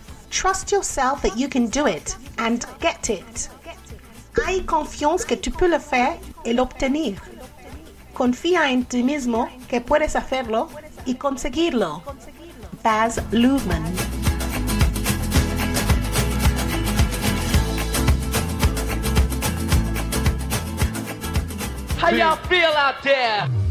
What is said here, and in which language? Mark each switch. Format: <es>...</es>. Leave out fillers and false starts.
<en>Trust yourself that you can do it and get it.</en> <fr>Aie confiance que tu peux le faire et l'obtenir.</fr> <es>Confía en ti mismo que puedes hacerlo y conseguirlo.</es> <en>Baz Luhrmann. How y'all feel out there?</en>